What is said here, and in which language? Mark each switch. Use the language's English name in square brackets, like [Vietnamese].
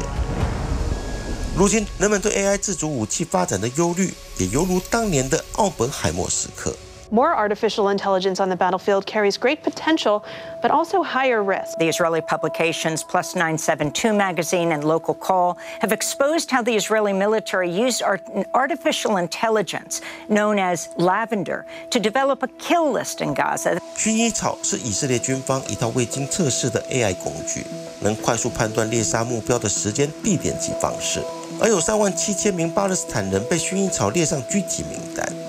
[Chinese] 横扫今年奥斯卡的传记电影《奥本海默》讲述原子弹之父奥本海默充满争议的一生，他在主持研发原子弹的曼哈顿计划时，内心挣扎于科学与道德的边界，深知自己的发明可以拯救世界，但也会摧毁这个世界。如今，人们对 AI 自主武器发展的忧虑，也犹如当年的奥本海默时刻。 [English] More artificial intelligence on the battlefield carries great potential, but also higher risk. The Israeli publications Plus 972 magazine and Local Call have exposed how the Israeli military used artificial intelligence, known as Lavender, to develop a kill list in Gaza. [Chinese] 薰衣草是以色列军方一套未经测试的 AI 工具，能快速判断猎杀目标的时间、地点及方式。而有37,000名巴勒斯坦人被薰衣草列上狙击名单。